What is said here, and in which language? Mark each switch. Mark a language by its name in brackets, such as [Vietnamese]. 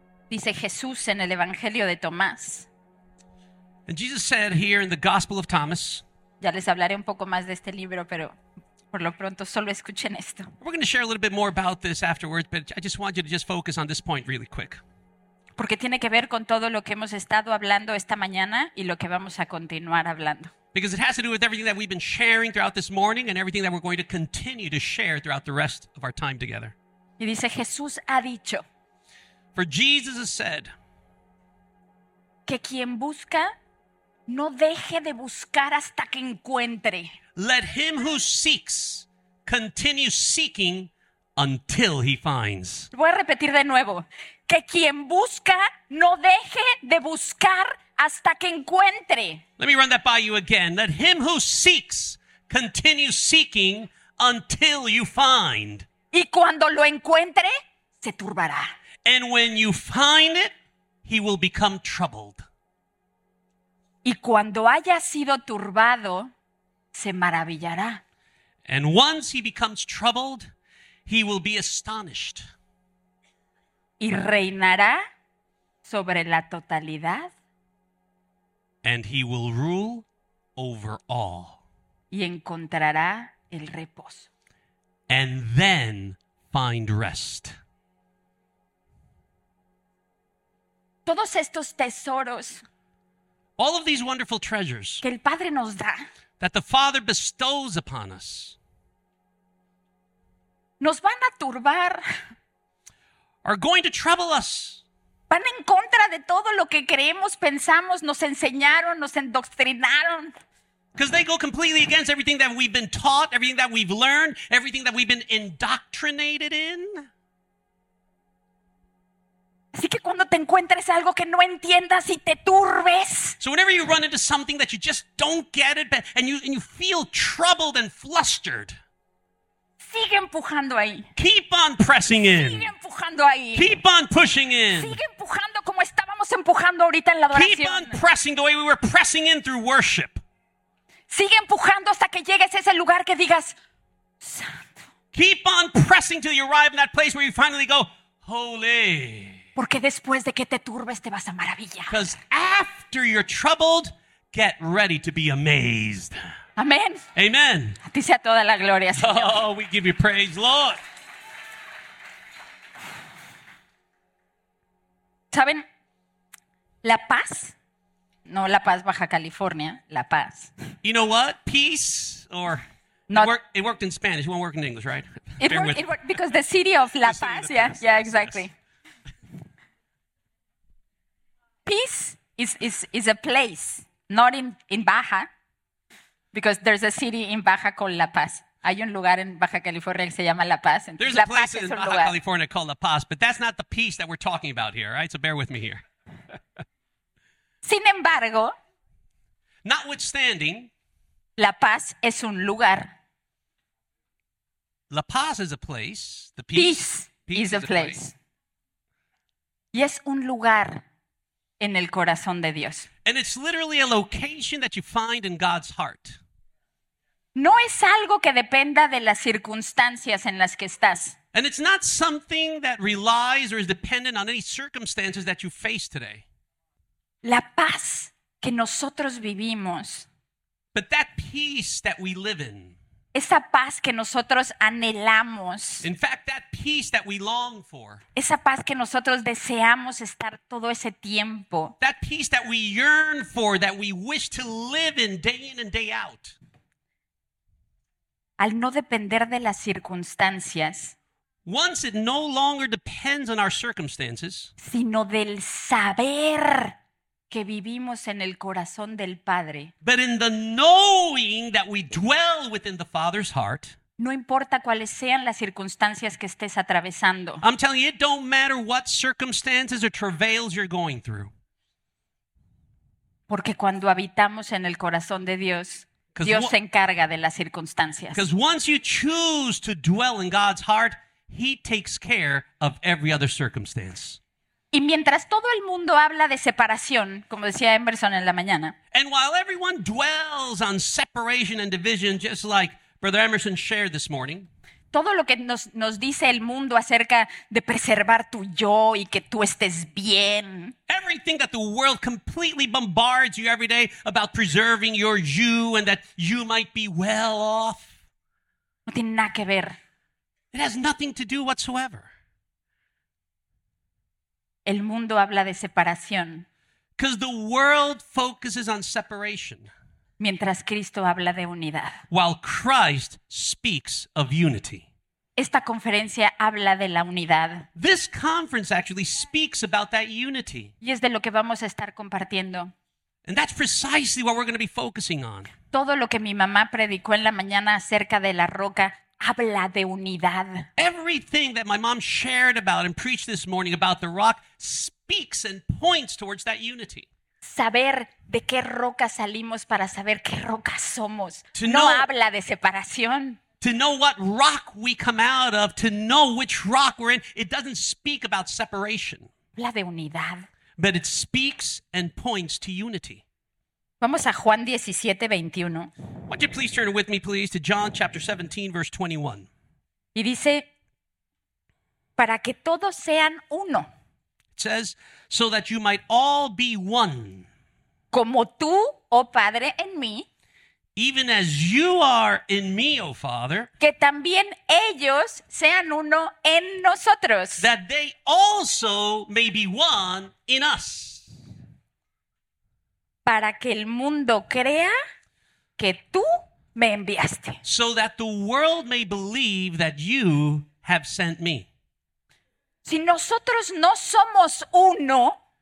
[Spanish] Dice Jesús en el Evangelio de Tomás. [English] And Jesus said here in the Gospel of Thomas. [Spanish] Ya les hablaré un poco más de este libro, pero por lo pronto solo escuchen esto. [English] We're going to share a little bit more about this afterwards, but I just want you to just focus on this point really quick. [Spanish] Porque tiene que ver con todo lo que hemos estado hablando esta mañana y lo que vamos a continuar hablando. [English] Because it has to do with everything that we've been sharing throughout this morning and everything that we're going to continue to share throughout the rest of our time together. [Spanish] Y dice, Jesús ha dicho. [English] For Jesus has said. [Spanish] Que quien busca, no deje de buscar hasta que encuentre. [English] Let him who seeks, continue seeking until he finds. [Spanish] Voy a repetir de nuevo. Que quien busca, no deje de buscar hasta que encuentre. [English] Let me run that by you again. Let him who seeks continue seeking until you find. [Spanish] Y cuando lo encuentre, se turbará. [English] And when you find it, he will become troubled. [Spanish] Y cuando haya sido turbado, se maravillará. [English] And once he becomes troubled, he will be astonished. [Spanish] Y reinará sobre la totalidad. [English] And he will rule over all. [Spanish] Y encontrará el reposo. [English] And then find rest. [Spanish] Todos estos tesoros. [English] All of these wonderful treasures. [Spanish] Que el Padre nos da. [English] That the Father bestows upon us. [Spanish] Nos van a turbar. [English] Are going to trouble us. [Spanish] Van en contra de todo lo que creemos, pensamos, nos enseñaron, nos endoctrinaron. [English] Because they go completely against everything that we've been taught, everything that we've learned, everything that we've been indoctrinated in. [Spanish] Así que cuando te encuentres algo que no entiendas y te turbes. [English] So whenever you run into something that you just don't get it, and you feel troubled and flustered. [Spanish] Sigue empujando ahí. [English] Keep on pressing in. [Spanish] Sigue empujando ahí. [English] Keep on pushing in. [Spanish] Sigue empujando como estábamos empujando ahorita en la adoración. [English] Keep on pressing the way we were pressing in through worship. [Spanish] Sigue empujando hasta que llegues a ese lugar que digas, Santo. [English] Keep on pressing till you arrive in that place where you finally go, Holy. [Spanish] Porque después de que te turbes te vas a maravillar. [English] Because after you're troubled, get ready to be amazed. [Spanish] Amén. [English] Amen. [Spanish] A ti sea toda la gloria, Señor. [English] Oh, we give you praise, Lord. [Spanish] ¿Saben? La paz. No la paz Baja California, la paz. [English] You know what? Peace or... Not, it worked in Spanish. It won't work in English, right? It worked because the city of La Paz. Yeah, paz, yeah, exactly. Yes. Peace is a place, not in Baja. Because there's a city in Baja called La Paz. [Spanish] Hay un lugar en Baja California que se llama La Paz. [English] There's a place in Baja California called La Paz, but that's not the peace that we're talking about here, right? So bear with me here. [Spanish] Sin embargo, [English] notwithstanding, [Spanish] La Paz es un lugar. [English] La Paz is a place. The peace is a place. [Spanish] Y es un lugar en el corazón de Dios. [English] And it's literally a location that you find in God's heart. [Spanish] No es algo que dependa de las circunstancias en las que estás. [English] And it's not something that relies or is dependent on any circumstances that you face today. [Spanish] La paz que nosotros vivimos. [English] But that peace that we live in. [Spanish] Esa paz que nosotros anhelamos. [English] In fact, that peace that we long for. [Spanish] Esa paz que nosotros deseamos estar todo ese tiempo. [English] That peace that we yearn for, that we wish to live in day in and day out. [Spanish] Al no depender de las circunstancias. [English] Once it no longer depends on our circumstances. [Spanish] Sino del saber que vivimos en el corazón del Padre. [English] But in the knowing that we dwell within the Father's heart. [Spanish] No importa cuáles sean las circunstancias que estés atravesando. [English] I'm telling you, it don't matter what circumstances or travails you're going through. [Spanish] Porque cuando habitamos en el corazón de Dios, Dios se encarga de las circunstancias. [English] Because once you choose to dwell in God's heart, He takes care of every other circumstance. [Spanish] Y mientras todo el mundo habla de separación, como decía Emerson en la mañana, [English] and while everyone dwells on separation and division, just like Brother Emerson shared this morning, [Spanish] todo lo que nos dice el mundo acerca de preservar tu yo y que tú estés bien, [English] everything that the world completely bombards you every day about preserving your you and that you might be well off, [Spanish] no tiene nada que ver. [English] It has nothing to do whatsoever. [Spanish] El mundo habla de separación. [English] Because the world focuses on separation. [Spanish] Mientras Cristo habla de unidad. [English] While Christ speaks of unity. [Spanish] Esta conferencia habla de la unidad. [English] This conference actually speaks about that unity. [Spanish] Y es de lo que vamos a estar compartiendo. [English] And that's precisely what we're going to be focusing on. [Spanish] Todo lo que mi mamá predicó en la mañana acerca de la roca habla de unidad. [English] Everything that my mom shared about and preached this morning about the rock speaks and points towards that unity. [Spanish] Saber de qué roca salimos para saber qué roca somos. No habla de separación. [English] To know what rock we come out of, to know which rock we're in, it doesn't speak about separation. [Spanish] Habla de unidad. [English] But it speaks and points to unity. [Spanish] Vamos a Juan 17:21. [English] Would you please turn with me, please, to John chapter 17, verse 21. [Spanish] Y dice, para que todos sean uno. [English] It says, so that you might all be one. [Spanish] Como tú, oh Padre, en mí. [English] Even as you are in me, oh Father. [Spanish] Que también ellos sean uno en nosotros. [English] That they also may be one in us. [Spanish] Para que el mundo crea que tú me enviaste. [English] So that the world may believe that you have sent me. [Spanish] Si nosotros no somos uno,